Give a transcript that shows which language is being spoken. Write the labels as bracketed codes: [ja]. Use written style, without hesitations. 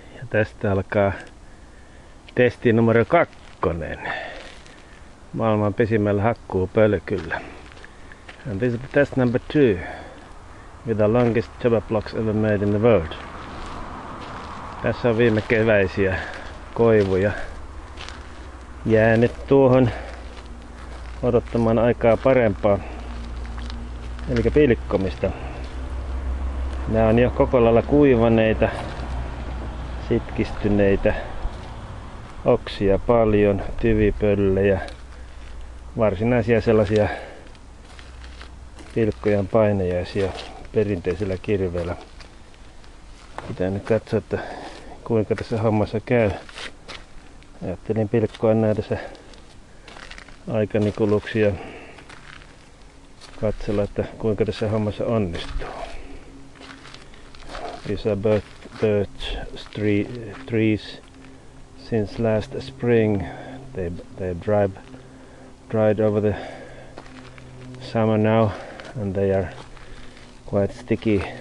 [fi] Tästä alkaa testi numero 2. Maailman pisimmällä hakkuupölkyllä. [en] And this is the test number 2 with the longest tuber blocks ever made in the world. [fi] Tässä on viime keväisiä koivuja jäänyt tuohon odottamaan aikaa parempaa, eli pilkkomista. Nämä on jo koko lailla kuivaneita, sitkistyneitä, oksia paljon, tyvipöllejä, varsinaisia sellaisia pilkkojen painajaisia perinteisellä kirveellä. Pitää nyt katsoa, että kuinka tässä hommassa käy. Ajattelin pilkkoa näitä tässä aikani kuluksi ja katsella, että kuinka tässä hommassa onnistuu. [en] These are birch trees since last spring. They dried over the summer now and they are quite sticky.